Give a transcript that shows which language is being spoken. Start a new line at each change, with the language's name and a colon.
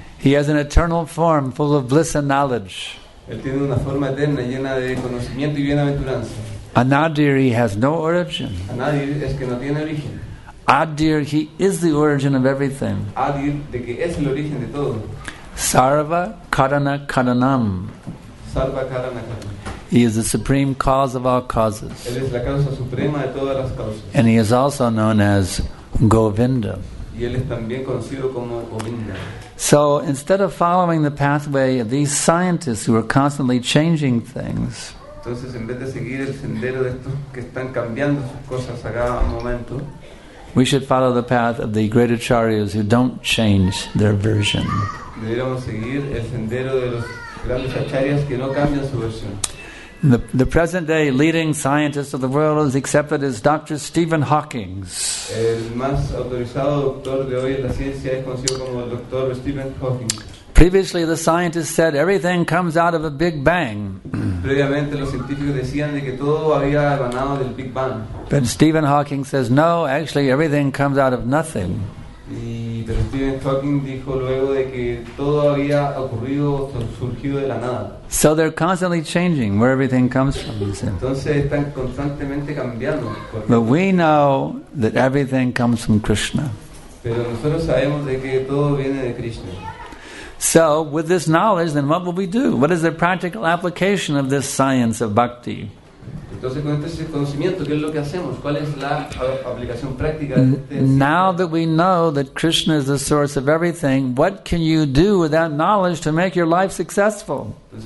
English: He has an eternal form full of bliss and knowledge.
Spanish: Él tiene una forma eterna llena de conocimiento y bienaventuranza.
English: Anadir, he has no origin.
Spanish: Anadir es que no tiene origen.
English: Adir, he is the origin of everything.
Spanish: Adir, de que es el origen de todo.
Sanskrit: Sarva karana karanam. Sarva karana karanam.
English: He is the supreme cause of all causes.
Spanish: Él es la causa suprema de todas las causas.
English: And he is also known as Govinda.
Spanish: Y él es también conocido como Govinda.
English: So instead of following the pathway of these scientists who are constantly changing things,
Spanish: entonces en vez de seguir el sendero de estos que están cambiando sus cosas a cada momento,
English: we should follow the path of the great acharyas who don't change their version.
Spanish: Deberíamos seguir el sendero de los grandes acharyas que no cambian su versión.
English: The present day leading scientist of the world is accepted as Dr. Stephen Hawking.
Spanish: El más autorizado doctor de hoy en la ciencia es conocido como el Dr. Stephen Hawking.
English: Previously, the scientists said everything comes out of a big bang.
Spanish: Previamente, los científicos decían de que todo había emanado del Big Bang.
English: But Stephen Hawking says, no, actually, everything comes out of nothing.
Spanish: Pero Stephen Hawking dijo luego de que todo había ocurrido, surgido de la nada.
English: So they're constantly changing where everything comes from.
Spanish: Entonces están constantemente cambiando.
English: But we know that everything comes from Krishna.
Spanish: Pero nosotros sabemos de que todo viene de Krishna.
English: So, with this knowledge, then what will we do? What is the practical application of this science of bhakti? Now that we know that Krishna is the source of everything, what can you do with that knowledge to make your life successful?